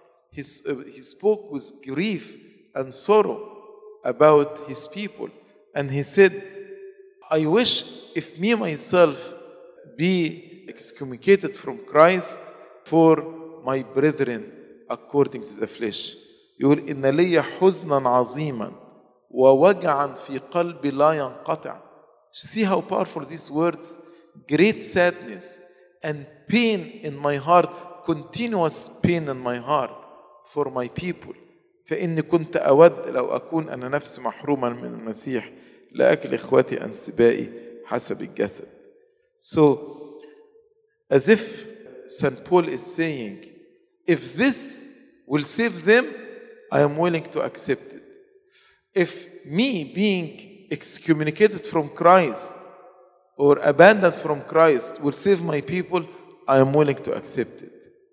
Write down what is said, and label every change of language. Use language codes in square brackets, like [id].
[en] He spoke with grief and sorrow about his people. And he said, I wish if me myself be excommunicated from Christ for my brethren according to the flesh. [ar] يقول إن لي حزنا عظيما ووجعا في قلبي لا ينقطع. [en] See how powerful these words, great sadness and pain in my heart, continuous pain in my heart for my people. [ar] فإني كنت أود لو أكون أنا نفسي محروما من المسيح لأكل إخواتي أنسبائي حسب الجسد. [en] So as if St. Paul is saying, if this will save them, I am willing to accept it. If me being excommunicated from Christ or abandoned from Christ will save my people, I am willing to accept it.